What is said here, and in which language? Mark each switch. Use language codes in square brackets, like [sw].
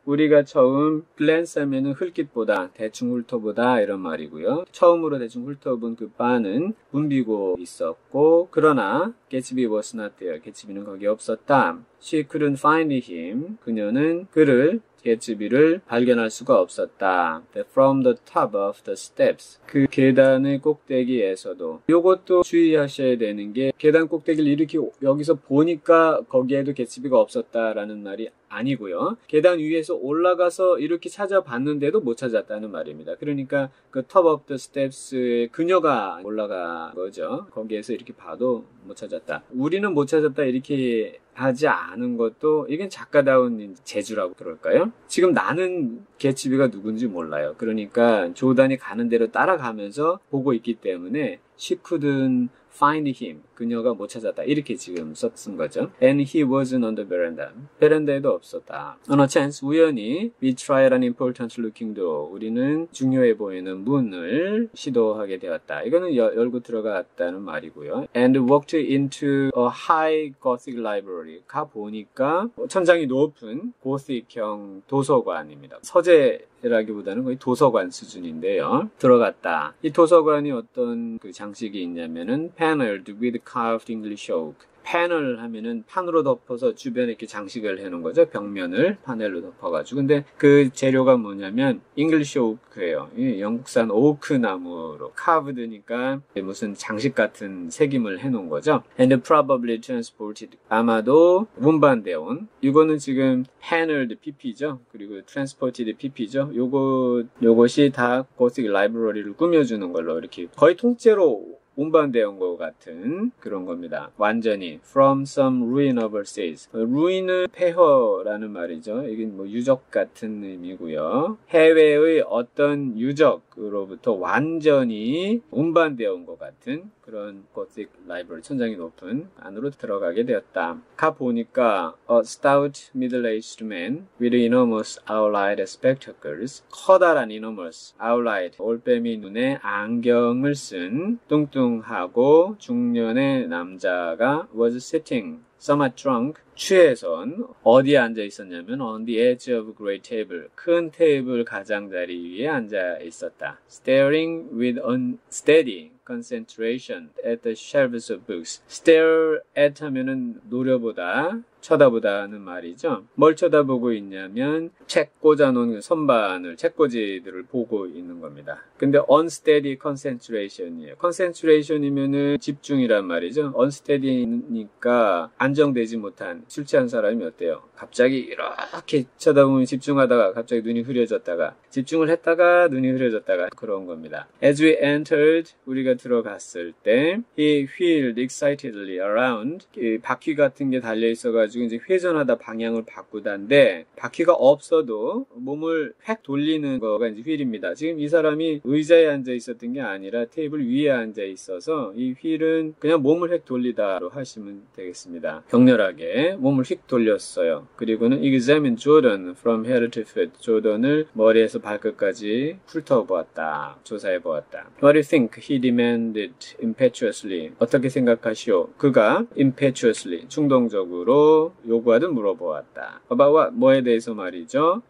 [ko] 우리가 처음 glance 하면은 흘깃보다, 대충 훑어보다 이런 말이고요. 처음으로 대충 훑어본 그 bar는 붐비고 있었고, 그러나 [en] Gatsby was not there. [ko] Gatsby는 거기 없었다. [en] She couldn't find him. [ko] 그녀는 그를, Gatsby를 발견할 수가 없었다. [en] From the top of the steps. [ko] 그 계단의 꼭대기에서도. 이것도 주의하셔야 되는 게 계단 꼭대기를 이렇게 여기서 보니까 거기에도 Gatsby가 없었다라는 말이 아니고요. 계단 위에서 올라가서 이렇게 찾아봤는데도 못 찾았다는 말입니다. 그러니까 그 [en] top of the steps [ko] 에 그녀가 올라간 거죠. 거기에서 이렇게 봐도 못 찾았다. 우리는 못 찾았다 이렇게 하지 않은 것도 이건 작가다운 재주라고 그럴까요? 지금 나는 개츠비가 누군지 몰라요. 그러니까 조단이 가는 대로 따라가면서 보고 있기 때문에 [en] she couldn't find him. [ko] 그녀가 못 찾았다. 이렇게 지금 썼은 거죠. [en] And he wasn't on the veranda. [ko] 베란다에도 없었다. [en] On a chance, 우연히 we tried an important looking door. [ko] 우리는 중요해 보이는 문을 시도하게 되었다. 이거는 열고 들어갔다는 말이고요. [en] And walked into a high gothic library. [ko] 가보니까 천장이 높은 gothic형 도서관입니다. 서재라기보다는 거의 도서관 수준인데요. 들어갔다. 이 도서관이 어떤 그 장식이 있냐면은 [en] paneled with carved English oak. [ko] 패널 하면은 판으로 덮어서 주변에 이렇게 장식을 해놓은 거죠. 벽면을 판넬로 덮어가지고. 근데 그 재료가 뭐냐면 English oak예요. 영국산 오크나무로 carved니까 무슨 장식 같은 새김을 해놓은 거죠. [en] And probably transported. [ko] 아마도 운반되어온. 이거는 지금 paneled PP죠. 그리고 transported PP죠. 요것이 다 Gothic Library를 꾸며주는 걸로 이렇게 거의 통째로 운반되어온 것 같은 그런 겁니다. [en] 완전히 from some ruin overseas. [ko] ruin은 폐허라는 말이죠. 이게 뭐 유적 같은 의미고요. 해외의 어떤 유적으로부터 완전히 운반되어온 것 같은 그런 gothic library, 천장이 높은 안으로 들어가게 되었다. [en] 가보니까 a stout middle-aged man with enormous owl-eyed spectacles. [ko] 커다란 [en] enormous owl-eyed [ko] 올빼미 눈에 안경을 쓴 뚱뚱하고 중년의 남자가 [en] was sitting somewhat drunk. [ko] 취해선 어디에 앉아 있었냐면 [en] on the edge of a great table. [ko] 큰 테이블 가장자리 위에 앉아 있었다. [en] staring with unsteady concentration at the shelves of books. [ko] stare at 하면은 노려보다, 쳐다보다는 말이죠. 뭘 쳐다보고 있냐면 책 꽂아놓은 선반을, 책꽂이들을 보고 있는 겁니다. 근데 unsteady concentration이에요. concentration이면은 집중이란 말이죠. unsteady니까 안정되지 못한, 술 취한 사람이 어때요? 갑자기 이렇게 쳐다보면 집중하다가 갑자기 눈이 흐려졌다가, 집중을 했다가 눈이 흐려졌다가 그런 겁니다. [en] As we entered, [ko] 우리가 들어갔을 때 [en] he wheeled excitedly around. [ko] 이 바퀴 같은 게 달려있어가 가지고 이제 회전하다 방향을 바꾸다인데, 바퀴가 없어도 몸을 획 돌리는 거가 이제 휠입니다. 지금 이 사람이 의자에 앉아 있었던 게 아니라 테이블 위에 앉아 있어서 이 휠은 그냥 몸을 획 돌리다로 하시면 되겠습니다. 격렬하게 몸을 휙 돌렸어요. [en] 그리고는 examined Jordan from head to foot. [ko] 조던을 머리에서 발끝까지 훑어보았다. 조사해보았다. [en] What do you think? He demanded impetuously. [ko] 어떻게 생각하시오? 그가 impetuously, 충동적으로 요구하듯 물어보았다. [en] About what? [ko] 뭐에 대해서 말이죠?